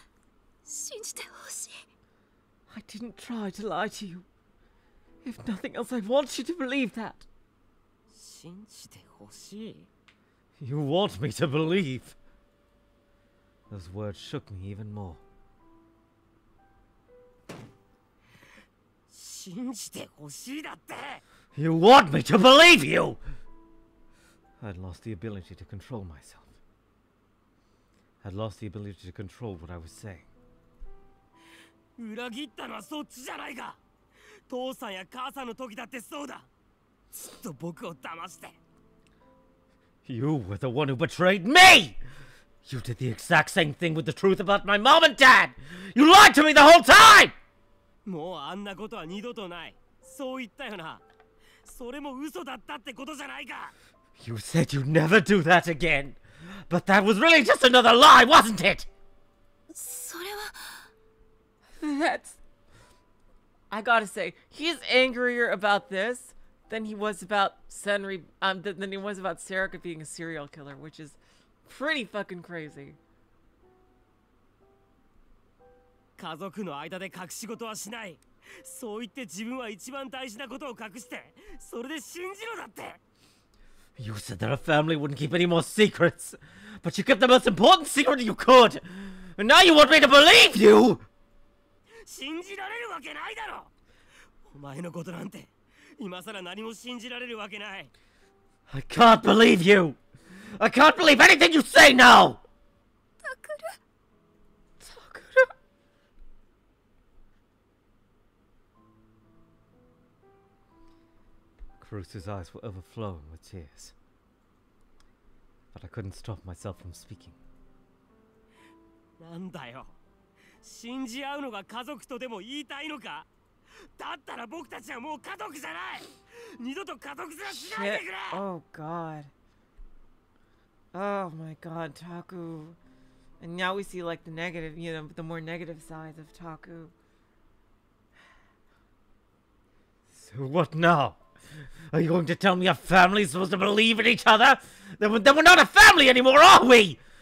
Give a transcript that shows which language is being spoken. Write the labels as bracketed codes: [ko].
[ja] 騙そうだなんてそんなこと、それだけは信じてほしい。 [en] I didn't try to lie to you. If nothing else, I want you to believe that. [ja] 信じてほしい? [en] You want me to believe? Those words shook me even more. [ja] 信じてほしいだって! [en] You want me to believe you? I'd lost the ability to control myself. I'd lost the ability to control what I was saying. [ja] 裏切ったのはそっちじゃないか。父さんや母さんの時だってそうだ。ずっと僕を騙して。 [en] You were the one who betrayed me! You did the exact same thing with the truth about my mom and dad! You lied to me the whole time! [ja] もうあんなことは二度とない。そう言ったよな。それも嘘だったってことじゃないか。 [en] You said you'd never do that again! But that was really just another lie, wasn't it? [ja] それは… [en] That's... I gotta say, he's angrier about this than he was about Senri, than he was about Serica being a serial killer, which is pretty fucking crazy. [ja] 家族の間で隠し事はしない。そう言って自分は一番大事なことを隠して、それで信じろだって。 [en] You said that a family wouldn't keep any more secrets, but you kept the most important secret you could, and now you want me to believe you! [ja] 信じられるわけないだろ。お前のことなんて、今さら何も信じられるわけない。 [en] I can't believe you! I can't believe anything you say now! Takuru... Takuru... Caruso's eyes were overflowing with tears. But I couldn't stop myself from speaking. [ja] なんだよ。信じ合うのが家族とでも言いたいのか。だったら僕たちはもう家族じゃない。二度と家族じゃしないでくれ。 [en] Oh God. Oh my God, Taku. And now we see like the negative, you know, the more negative side of Taku. So what now? Are you going to tell me our family is supposed to believe in each other? Then we're not a family anymore, are we?